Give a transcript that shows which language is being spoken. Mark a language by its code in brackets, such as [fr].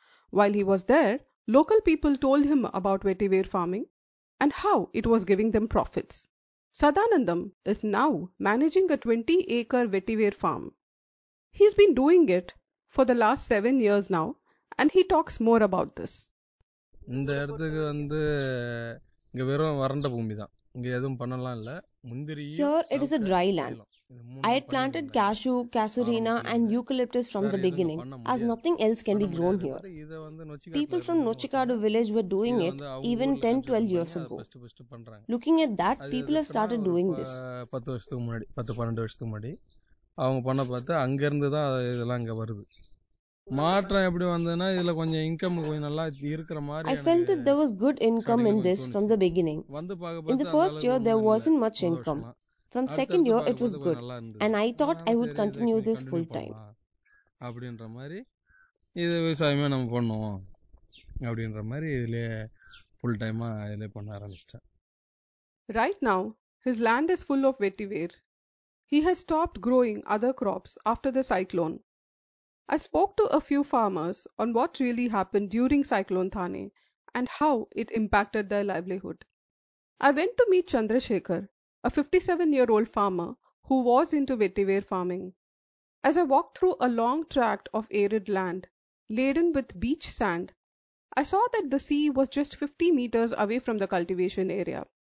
[en] While he was there, local people told him about vetiver farming and how it was giving them profits. Sadanandam is now managing a 20-acre vetiver farm. He's been doing it for the last 7 years now, and he talks more about this. [ta] இந்த இடத்துக்கு வந்து இங்க வெறும் வறண்ட பூமி தான். இங்க எதுவும் பண்ணலாம் இல்ல. [en] Here it is a dry land. I had planted cashew, casuarina and eucalyptus from the beginning, as nothing else can be grown here. People from Nochikadu village were doing it even 10-12 years ago. Looking at that, people have started doing this. [ta] 10-12 வருஷத்துக்கு முன்னாடி அவங்க பண்ண பார்த்து அங்க இருந்து தான் இதெல்லாம் இங்க வருது. [en] I felt that there was good income in this from the beginning. In the first year, there wasn't much income. From second year it was good and I thought I would continue this full time [ta] அப்படின்ற மாதிரி இது விவசாயமே நம்ம பண்ணுவோம் அப்படின்ற மாதிரி இதிலே full டைமாக இதிலே பண்ண ஆரம்பிச்சிட்டேன் [en] Right now his land is full of vetiver He has stopped growing other crops after the cyclone. I spoke to a few farmers on what really happened during Cyclone Thane and how it impacted their livelihood. I went to meet Chandrashekhar, a 57-year-old farmer who was into vetiver farming. As I walked through a long tract of arid land laden with beach sand, I saw that the sea was just 50 meters away from the cultivation area.